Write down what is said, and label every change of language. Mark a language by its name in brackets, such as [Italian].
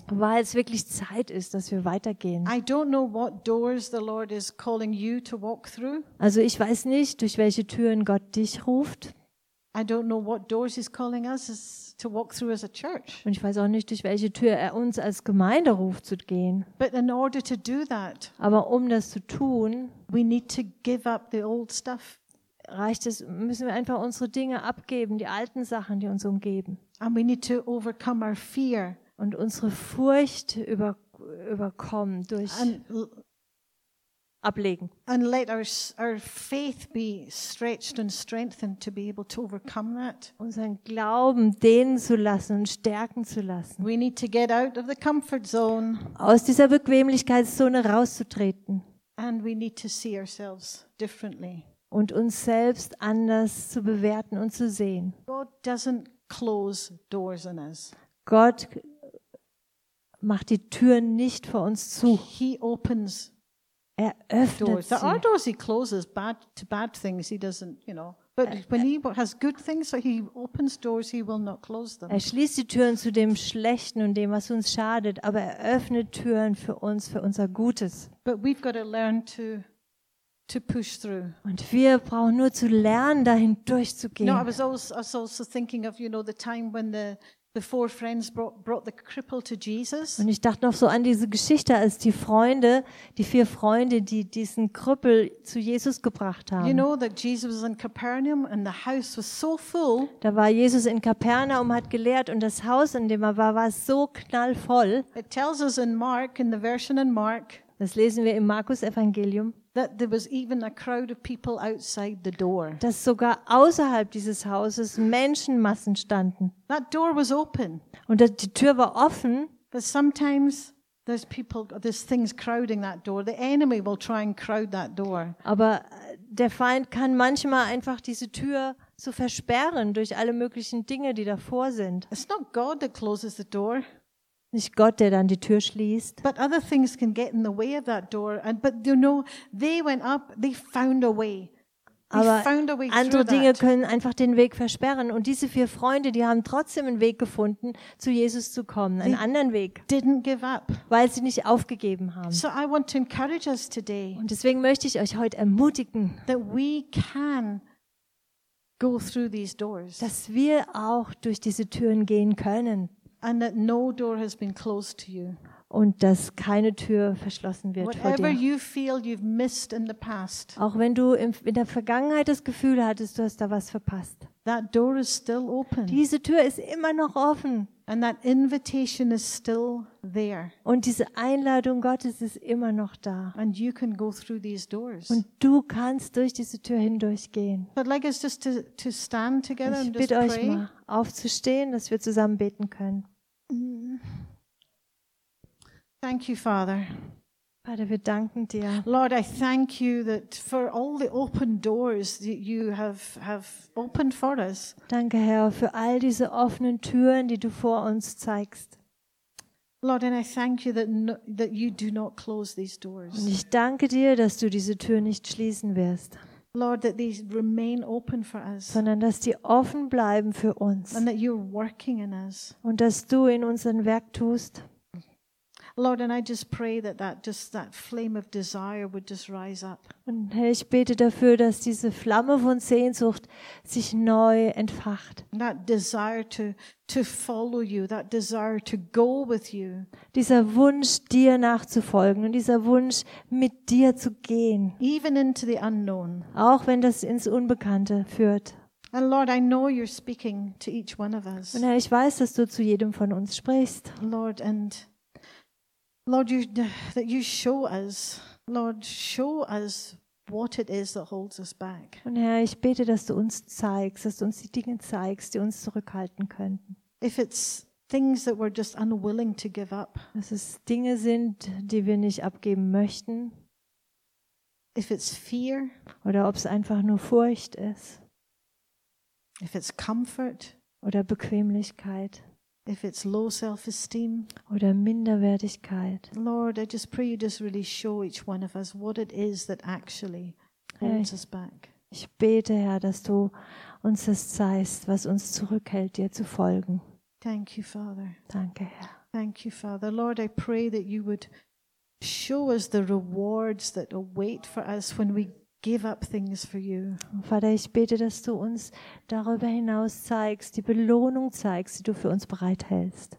[German] Weil es wirklich Zeit ist, dass wir weitergehen. [English] I don't know what doors the Lord is calling you to walk through. [German] Also ich weiß nicht, durch welche Türen Gott dich ruft. [English] I don't know what doors he's calling us to walk through as a church. [German] Und ich weiß auch nicht, durch welche Tür er uns als Gemeinde ruft zu gehen. [English] But in order to do that, [German] aber um das zu tun, [English] we need to give up the old stuff. [German] Reicht es, müssen wir einfach unsere Dinge abgeben, die alten Sachen, die uns umgeben. [English] And we need to overcome our fear. [German] Und unsere Furcht überkommen durch ablegen. [English] And let our faith be stretched and strengthened to be able to overcome that. [German] Unseren Glauben dehnen zu lassen und stärken zu lassen. [English] We need to get out of the comfort zone. [German] Aus dieser Bequemlichkeitszone rauszutreten. [English] And we need to see ourselves differently. [German] Und uns selbst anders zu bewerten und zu sehen. [English] God doesn't close doors on us. [German] Gott macht die Türen nicht vor uns zu. [English] He opens. [German] Er öffnet [English] doors. There are doors he closes bad to bad things. He doesn't, you know. But when he has good things, so he opens doors, he will not close them. [German] Er schließt die Türen zu dem Schlechten und dem, was uns schadet, aber er öffnet Türen für uns, für unser Gutes. [English] But we've got to learn to push through. [German] Und wir brauchen nur zu lernen, dahin durchzugehen. [English] No, I was also thinking of, you know, the time when the four friends brought the cripple to Jesus. [German] Und ich dachte noch so an diese Geschichte, als die vier Freunde, die diesen Krüppel zu Jesus gebracht haben. [English] You know that Jesus was in Capernaum and the house was so full. [German] Da war Jesus in Kapernaum, hat gelehrt und das Haus, in dem er war, war so knallvoll. [English] It tells us in Mark, in the version in Mark. [German] Das lesen wir im Markus-Evangelium. [English] that there was even a crowd of people outside the door. [German] Dass sogar außerhalb dieses Hauses Menschenmassen standen. [English] That door was open. [German] Und die Tür war offen. [English] But sometimes there's people, there's things crowding that door. The enemy will try and crowd that door. [German] Aber der Feind kann manchmal einfach diese Tür so versperren durch alle möglichen Dinge, die davor sind. [English] It's not God that closes the door. [German] Nicht Gott, der dann die Tür schließt. [English] But other things can get in the way of that door. And but you know, they went up, they found a way. [German] Aber andere Dinge können einfach den Weg versperren. Und diese vier Freunde, die haben trotzdem einen Weg gefunden, zu Jesus zu kommen, einen anderen Weg. [English] Didn't give up. [German] Weil sie nicht aufgegeben haben. [English] So I want to encourage us today, [German] und deswegen möchte ich euch heute ermutigen, [English] that we can go through these doors. [German] Dass wir auch durch diese Türen gehen können. [English] And that no door has been closed to you. [German] Und dass keine Tür verschlossen wird [English] whatever [German] vor dir. [English] You feel you've missed in the past, [German] auch wenn du in der Vergangenheit das Gefühl hattest, du hast da was verpasst. [English] That door is still open. [German] Diese Tür ist immer noch offen. [English] And that invitation is still there. [German] Und diese Einladung Gottes ist immer noch da. [English] And you can go through these doors. [German] Und du kannst durch diese Tür hindurchgehen. [English] I'd like us just to stand together and just pray. [German] Ich bitte euch mal, aufzustehen, dass wir zusammen beten können. [English] Thank you, Father. [German] Vater, wir danken dir. [English] Lord, I thank you that for all the open doors that you have opened for us. [German] Danke, Herr, für all diese offenen Türen, die du vor uns zeigst. [English] Lord, and I thank you that you do not close these doors. [German] Und ich danke dir, dass du diese Tür nicht schließen wirst. [English] Lord, that these remain open for us. [German] Sondern dass die offen bleiben für uns. [English] And that you're working in us. [German] Und dass du in uns ein Werk tust. [English] Lord, and I just pray that flame of desire would just rise up. [German] Und Herr, ich bete dafür, dass diese Flamme von Sehnsucht sich neu entfacht. [English] That desire to follow you, that desire to go with you. [German] Dieser Wunsch, dir nachzufolgen und dieser Wunsch, mit dir zu gehen. [English] Even into the unknown. [German] Auch wenn das ins Unbekannte führt. [English] And Lord, I know you're speaking to each one of us. [German] Und Herr, ich weiß, dass du zu jedem von uns sprichst. [English] Lord, that you show us, Lord, show us what it is that holds us back. [German] Und Herr, ich bete, dass du uns zeigst, dass du uns die Dinge zeigst, die uns zurückhalten könnten. [English] If it's things that we're just unwilling to give up. [German] Dass es Dinge sind, die wir nicht abgeben möchten. [English] If it's fear. [German] Oder ob es einfach nur Furcht ist. [English] If it's comfort. [German] Oder Bequemlichkeit. [English] If it's low self-esteem, [German] oder Minderwertigkeit. [English] Lord, I just pray you just really show each one of us what it is that actually holds us back. [German] Ich bete, Herr, dass du uns das zeigst, was uns zurückhält, dir zu folgen. [English] Thank you, Father. [German] Danke, Herr. [English] Thank you, Father. Lord, I pray that you would show us the rewards that await for us when we give up things for you. [German] Vater, ich bete, dass du uns darüber hinaus zeigst, die Belohnung zeigst, die du für uns bereithältst.